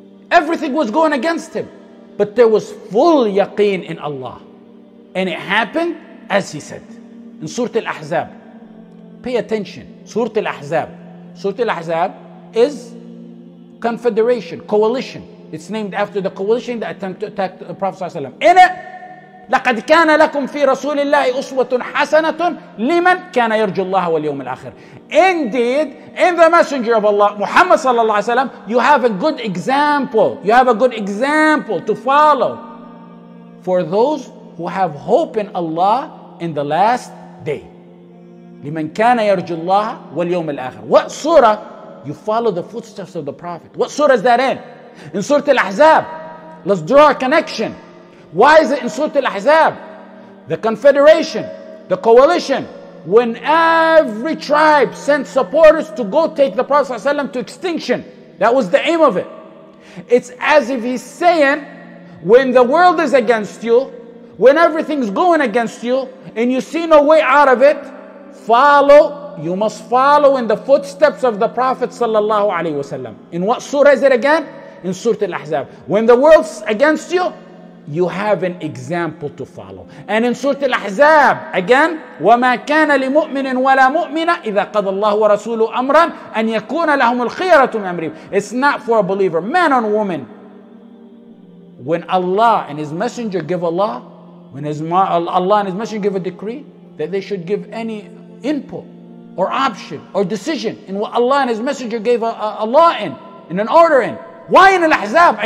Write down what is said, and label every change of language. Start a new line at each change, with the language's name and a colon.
English: Everything was going against him, but there was full yaqeen in Allah. And it happened as he said in Surah Al-Ahzab. Pay attention, Surah Al-Ahzab. Surah Al-Ahzab is confederation, coalition. It's named after the coalition that attempted to attack the Prophet ﷺ. In it,
Arabic: لقد كان لكم في رسول الله أسوة حسنة لمن كان يرجو الله واليوم الآخر.
English: Indeed, in the Messenger of Allah, Muhammad
Arabic: صلى الله عليه وسلم,
English: you have a good example. You have a good example to follow for those who have hope in Allah in the last day. لمن كان يرجو الله واليوم الآخر. What surah? You follow the footsteps of the Prophet. What surah is that in? In Surah Al-Ahzab. Let's draw a connection. Why is it in Surah Al-Ahzab? The confederation, the coalition, when every tribe sent supporters to go take the Prophet ﷺ to extinction. That was the aim of it. It's as if he's saying, when the world is against you, when everything's going against you, and you see no way out of it, follow, you must follow in the footsteps of the Prophet ﷺ. In what surah is it again? In Surah Al-Ahzab. When the world's against you, you have an example to follow. And in Surah Al-Ahzab, again,
Arabic: وَمَا كَانَ لِمُؤْمِنٍ وَلَا مُؤْمِنَ إِذَا قَضَ اللَّهُ وَرَسُولُهُ أَمْرًا أَنْ يَكُونَ لَهُمُ الْخِيَرَةُ مِنْ أَمْرِهِمْ.
English: It's not for a believer, man or woman. When Allah and His Messenger give a law, when Allah and His Messenger give a decree, that they should give any input or option or decision in what Allah and His Messenger gave a law in an order in. Why in Al-Ahzab?